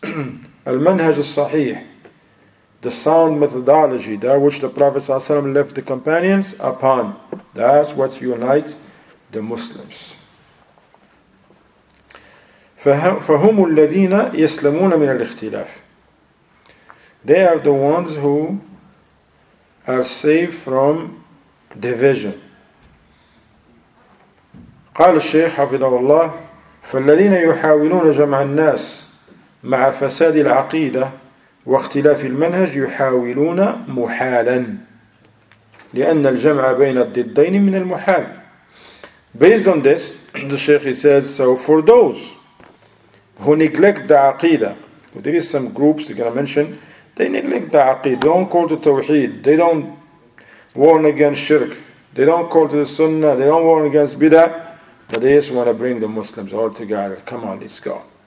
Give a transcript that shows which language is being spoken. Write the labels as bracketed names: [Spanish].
[English] Al-manhaj al-sahih, the sound methodology, that which the Prophet ﷺ left the companions upon, that's what unite the Muslims. [Arabic] فَهُمُ الَّذِينَ يَسْلَمُونَ مِنَ الْإِخْتِلَافِ. [English] They are the ones who are saved from division. [Arabic] قال الشيخ حفظه الله فالذين يحاولون جمع الناس مع فساد العقيدة واختلاف المنهج يحاولون محالا لأن الجمع بين الضدين من المحال. [English] Based on this, the Sheikh says, so for those who neglect the عقيدة, there is some groups you're going to mention, they neglect the عقيدة, they don't call to Tawheed, they don't warn against Shirk, they don't call to the Sunnah, they don't warn against Bidah, but they just want to bring the Muslims all together. Come on, let's go.